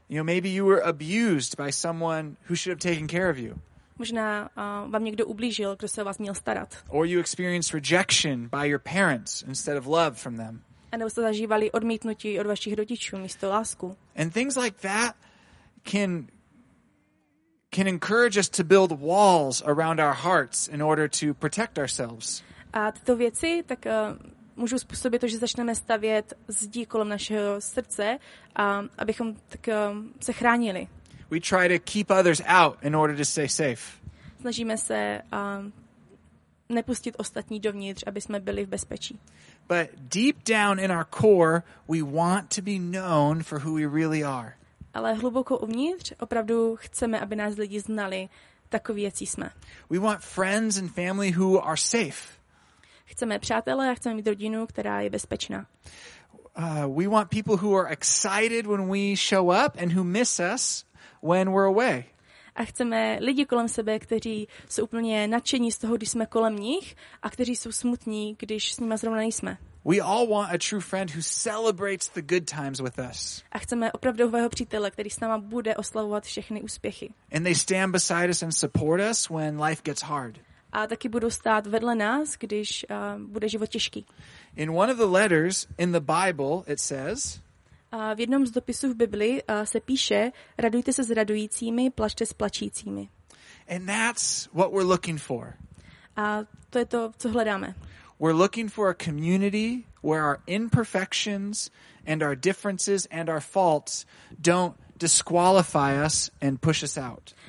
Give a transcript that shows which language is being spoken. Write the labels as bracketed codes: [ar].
[en] You know, maybe you were abused by someone who should have taken care of you. [cs] Možná vám někdo ublížil, kdo se o vás měl starat. [en] Or you experienced rejection by your parents instead of love from them. [cs] A nebo jste zažívali odmítnutí od vašich rodičů místo lásku. [en] And things like that can encourage us to build walls around our hearts in order to protect ourselves. [cs] A tyto věci tak můžou způsobit to, že začneme stavět zdi kolem našeho srdce, abychom tak se chránili. [en] We try to keep others out in order to stay safe. [cs] Snažíme se nepustit ostatní dovnitř, aby jsme byli v bezpečí. [en] But deep down in our core, we want to be known for who we really are. [cs] Ale hluboko uvnitř opravdu chceme, aby nás lidi znali takový, jací jsme. [en] We want friends and family who are safe. [cs] Chceme přátelé a chceme mít rodinu, která je bezpečná. [en] We want people who are excited when we show up and who miss us when we're away. [cs] A chceme lidi kolem sebe, kteří jsou úplně nadšení z toho, když jsme kolem nich, a kteří jsou smutní, když s nimi zrovna nejsme. [en] We all want a true friend who celebrates the good times with us. [cs] A chceme opravdového přítele, který s náma bude oslavovat všechny úspěchy. [en] And they stand beside us and support us when life gets hard. [cs] A taky budou stát vedle nás, když bude život těžký. [en] In one of the letters in the Bible it says, [cs] v jednom z dopisů v Bibli se píše: radujte se s radujícími, plačte s plačícími. [en] And that's what we're looking for. [cs] A to je to, co hledáme. [en] We're looking for a community where our imperfections and our differences and our faults don't disqualify us and push us out.